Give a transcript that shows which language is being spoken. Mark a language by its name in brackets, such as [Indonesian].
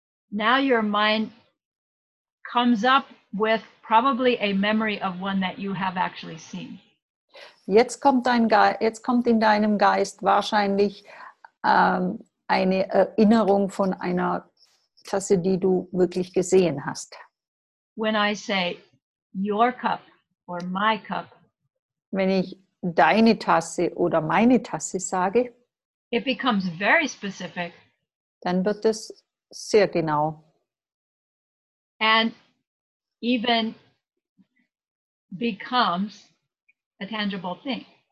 [English] now your mind comes up with probably a memory of one that you have actually seen. [German] Jetzt kommt in deinem Geist wahrscheinlich eine Erinnerung von einer Tasse, die du wirklich gesehen hast. [English] When I say your cup or my cup, [German] wenn ich deine Tasse oder meine Tasse sage, [English] it becomes very specific. [German] Dann wird es sehr genau. [English] And even becomes a tangible thing.